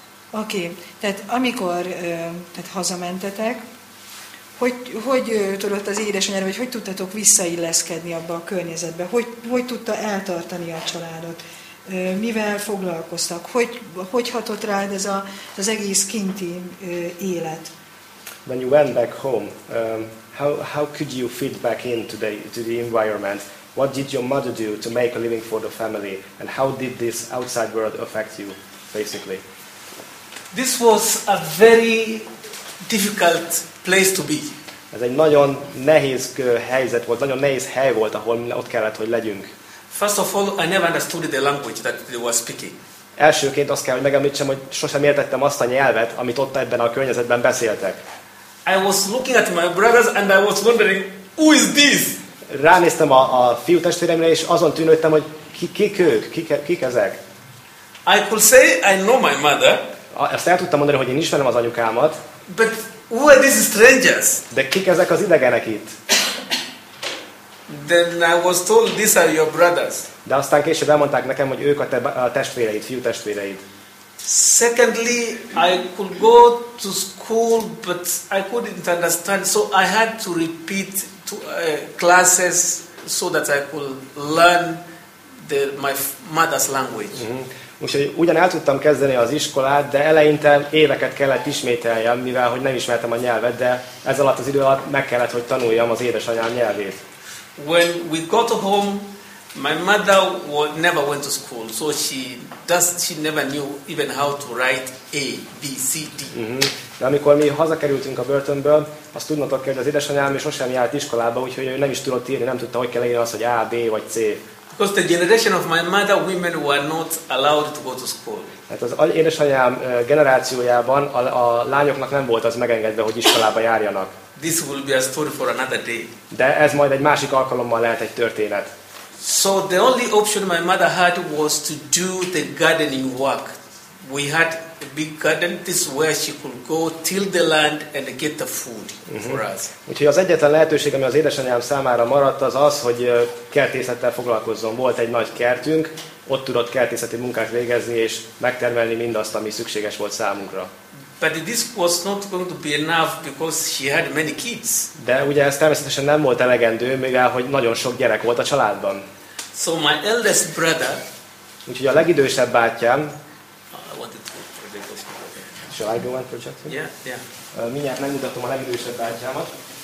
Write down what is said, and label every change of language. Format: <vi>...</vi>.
<hu>Oké, tehát amikor tehát hazamentetek, hogy tudott az édesanyád, vagy hogy tudtatok visszailleszkedni abba a környezetbe? Hogy tudta eltartani a családot? Mivel foglalkoztak? Hogy hatott rád ez az egész kinti élet?</hu> <en>When you went back home, how could you fit back into the environment? What did your mother do to make a living for the family? And how did this outside world affect you, basically? This was a very difficult place to be.</en> <hu>Ez egy nagyon nehéz helyzet volt, nagyon nehéz hely volt, ahol ott kellett, hogy legyünk.</hu> <en>First of all, I never understood the language that they were speaking.</en> <hu>Elsőként azt kell, hogy megemlítsem, hogy sosem értettem azt a nyelvet, amit ott ebben a környezetben beszéltek.</hu> <en>I was looking at my brothers and I was wondering, who is this?</en> <hu>Ránéztem a fiú testvéremre, és azon tűnődtem, hogy kik ezek?</hu> <en>I could say I know my mother.</en> <hu>Ezt el tudtam mondani, hogy én ismerem az anyukámat.</hu> <en>But who are these strangers?</en> <hu>De kik ezek az idegenek itt?</hu> <en>Then I was told these are your brothers.</en> <hu>De aztán később elmondták nekem, hogy ők a testvéreid, fiú testvéreid.</hu> <en>Secondly, I could go to school, but I couldn't understand, so I had to repeat classes so that I could learn my mother's language.</en> <hu>Úgyhogy ugyan el tudtam kezdeni az iskolát, de eleinte éveket kellett ismételjem, mivel hogy nem ismertem a nyelvet, de ez alatt az idő alatt meg kellett, hogy tanuljam az édesanyám nyelvét.</hu> <en>When we got home, my mother never went to school, so she never knew even how to write A, B, C, D.</en> <hu>De amikor mi hazakerültünk a börtönből, azt tudnotok kell, hogy az édesanyám sosem járt iskolába, úgyhogy ő nem is tudott írni, nem tudta, hogy kell írni azt, hogy A, B vagy C.</hu> <en>Because the generation of my mother, women were not allowed to go to school.</en> <hu>Hát az édesanyám generációjában a lányoknak nem volt az megengedve, hogy iskolába járjanak.</hu> <en>This will be a story for another day.</en> <hu>De ez majd egy másik alkalommal lehet egy történet.</hu> <en>So the only option my mother had was to do the gardening work. We had a big garden, this is where she could go till the land and get the food for us.</en> <hu>Úgyhogy az egyetlen lehetőség, ami az édesanyám számára maradt, az, hogy kertészettel foglalkozzon. Volt egy nagy kertünk, ott tudott kertészeti munkát végezni és megtermelni mindazt, ami szükséges volt számunkra.</hu> <en>But this was not going to be enough because she had many kids.</en> <hu>De ugye ez természetesen nem volt elegendő, mivel hogy nagyon sok gyerek volt a családban.</hu> <en>So my eldest brother.</en> <hu>Úgyhogy a legidősebb bátyám.</hu> <en>I wanted to project. Shall I go on project? Yeah, yeah.</en> <hu>Mindjárt megmutatom a legidősebb bátyámat.</hu>